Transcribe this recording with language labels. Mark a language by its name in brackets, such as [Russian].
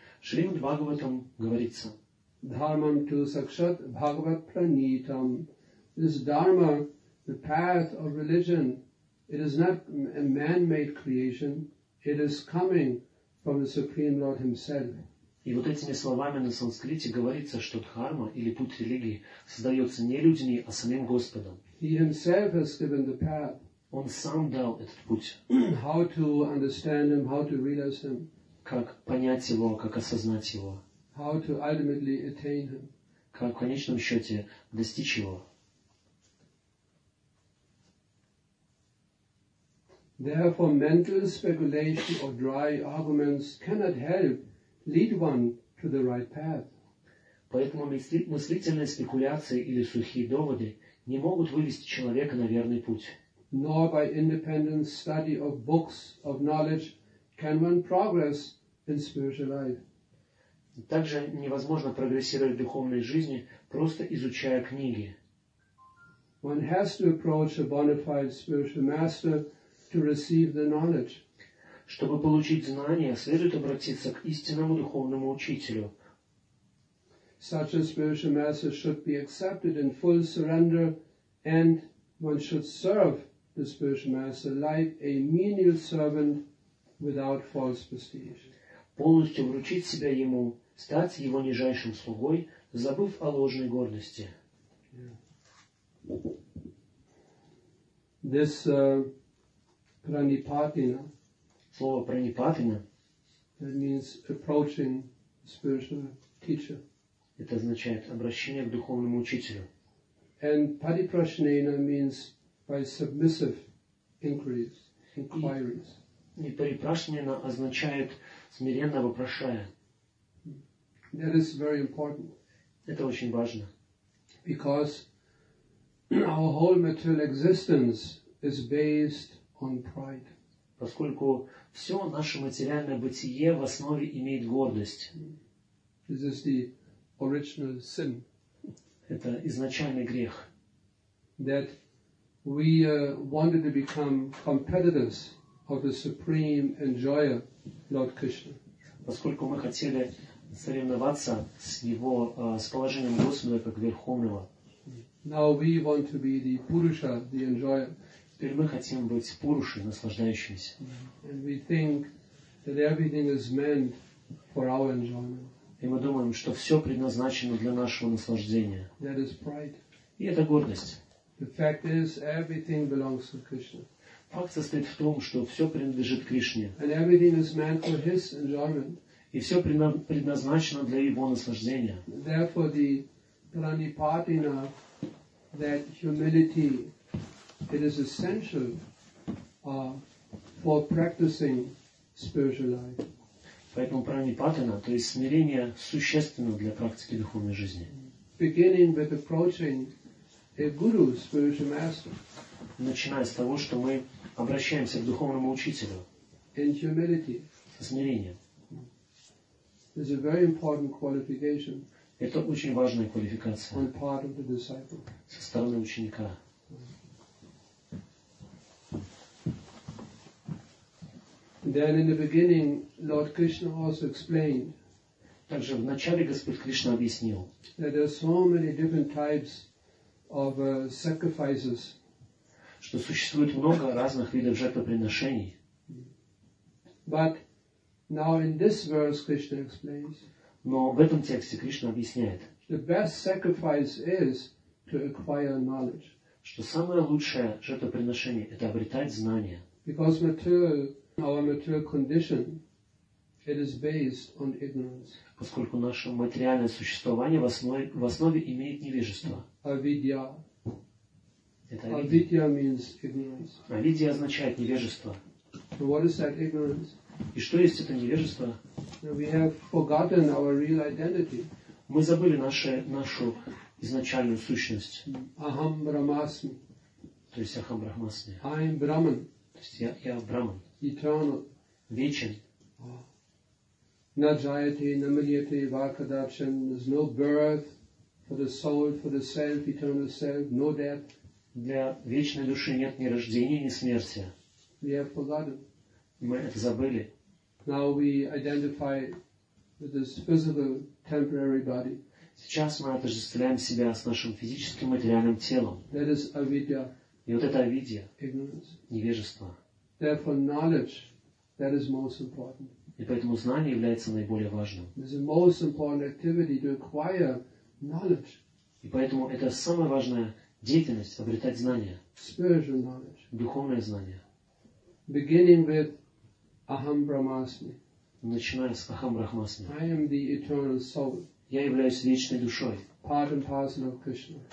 [Russian] Шримад Бхагаватам говорится. [Sanskrit] Dharmam tu sakshat bhagavat pranitam. [English] This dharma, the path of religion, it is not a man-made creation. It is coming from the Supreme Lord Himself. [Russian] И вот этими словами на санскрите говорится, что дхарма или путь религии создается не людьми, а самим Господом. [English] He himself has given the path. [Russian] Он сам дал этот путь. [English] How to understand him, how to realize him. [Russian] Как понять его, как осознать его. [English] How to ultimately attain him. [Russian] Как в конечном счете достичь его. [English] Therefore, mental speculation or dry arguments cannot help lead one to the right path. [Russian] Поэтому мыслительные спекуляции или сухие доводы не могут вывести человека на верный путь. [English] Nor by independent study of books of knowledge can one progress in spiritual life. [Russian] Также невозможно прогрессировать в духовной жизни, просто изучая книги. [English] One has to approach a bona fide spiritual master to receive the knowledge. [Russian] Чтобы получить знания, следует обратиться к истинному духовному учителю. [English] Such a spiritual master should be accepted in full surrender, and one should serve the spiritual master like a menial servant without false prestige. [Russian] Полностью вручить себя ему, стать его нижайшим слугой, забыв о ложной гордости. [English] Yeah. This pranipatina. [Russian] Слово пранипатина. [English] That means approaching spiritual teacher. [Russian] Это означает обращение к духовному учителю. [English] And padiprashnena means by submissive inquiries, inquiries. [Russian] И парипрашнена означает смиренно вопрошая. [English] That is very important. [Russian] Это очень важно. [English] Because our whole material existence is based on pride. [Russian] Поскольку все наше материальное бытие в основе имеет гордость. [English] This is the original sin. [Russian] Это изначальный грех. [English] That we wanted to become competitors of the supreme enjoyer, Lord Krishna. [Russian] Поскольку мы хотели соревноваться с его с положением Господа как верховного. [English] Now we want to be the Purusha, the enjoyer. [Russian] Теперь мы хотим быть Пуруши, наслаждающимися. [English] And we think that everything is meant for our enjoyment. [Russian] И мы думаем, что все предназначено для нашего наслаждения. [English] That is pride. [Russian] И это гордость. [English] The fact is, everything belongs to Krishna. [Russian] Факт состоит в том, что все принадлежит Кришне. [English] And everything is meant for his enjoyment. [Russian] И все предназначено для его наслаждения. [English] Therefore, the pranipatina, that humility, it is essential for practicing spiritual life. [Russian] Поэтому пранипатина, то есть смирение, существенно для практики духовной жизни. [English] Beginning with approaching a guru, spiritual master. [Russian] Начиная с того, что мы обращаемся к духовному учителю. [English] In humility. [Russian] Со смирением. [English] It's a very important qualification. [Russian] Это очень важная квалификация. [English] On part of the disciple. [Russian] Со стороны ученика. [English] Then in the beginning, Lord Krishna also explained. [Russian] Также в начале Господь Кришна объяснил. [English] That there are so many different types of sacrifices. [Russian] Что существует много разных видов жертвоприношений. [English] But now in this verse, Krishna explains. [Russian] Но в этом тексте Кришна объясняет. [English] The best sacrifice is to acquire knowledge. [Russian] Что самое лучшее жертвоприношение – это обретать знания. [English] Because material, our material condition, it is based on ignorance. [Russian] Поскольку наше материальное существование в основе имеет невежество. [Sanskrit] Авидья. [Russian] Это авидья. [English] Авидья means ignorance. [Russian] Авидья означает невежество. [English] So what is that ignorance? [Russian] И что есть это невежество? [English] We have forgotten our real identity. [Russian] Мы забыли нашу изначальную сущность. [Sanskrit] Aham Brahmasmi. [Russian] То есть [Sanskrit] Aham Brahmasmi. [English] I am Brahman. [Russian] То есть я Брахман. [English] Eternal. [Russian] Вечен. [Sanskrit] На джаяте, на мрияте, варкадапшен. [English] There's no birth for the soul, for the self, eternal self. No death. [Russian] Для вечной души нет ни рождения, ни смерти. [English] We have forgotten. [Russian] Мы это забыли. [English] Now we identify with this physical, temporary body. [Russian] Сейчас мы отождествляем себя с нашим физическим материальным телом. [English] That is avidya. [Russian] И вот это авидья. [English] Ignorance. [Russian] Невежество. [English] Therefore, knowledge, that is most important. [Russian] И поэтому знание является наиболее важным. [English] It is the most important activity to acquire knowledge. [Russian] И поэтому это самое важное. Деятельность — обретать знания. [English] Spiritual knowledge. [Russian] Духовное знание. [English] Beginning with [Sanskrit] Aham Brahmasmi. [Russian] Начиная с [Sanskrit] Aham Brahmasmi. [English] I am the eternal soul. [Russian] Я являюсь вечной душой. [English] Part and parcel of Krishna.